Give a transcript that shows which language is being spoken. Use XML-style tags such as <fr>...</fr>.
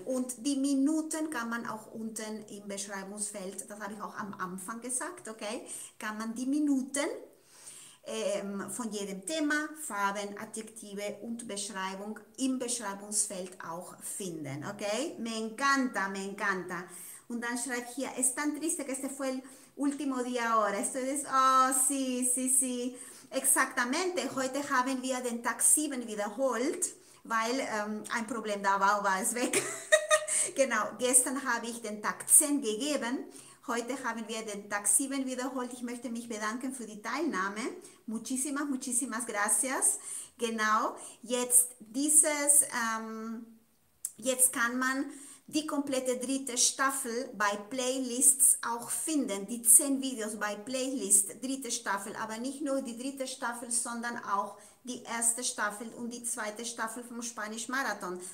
<de>Und die Minuten kann man auch unten im Beschreibungsfeld, das habe ich auch am Anfang gesagt, okay? Kann man die Minuten von jedem Thema, Farben, Adjektive und Beschreibung im Beschreibungsfeld auch finden, okay?</de> <es>Me encanta, me encanta.</es> <de>Und dann schreibe ich hier,</de> <es>es tan triste que este fue el último día ahora. Estoy des, oh, sí, sí, sí.</es> <de>Exactamente, heute haben wir den Tag 7 wiederholt, weil ein Problem da war, war es weg. Genau, gestern habe ich den Tag 10 gegeben, Heute haben wir den Tag 7 wiederholt. Ich möchte mich bedanken für die Teilnahme.</de> <es>Muchísimas, muchísimas gracias.</es> <de>Genau, jetzt kann man die komplette dritte Staffel bei Playlists auch finden. Die 10 Videos bei Playlist, dritte Staffel. Aber nicht nur die dritte Staffel, sondern auch die erste Staffel und die zweite Staffel vom Spanisch Marathon.</de>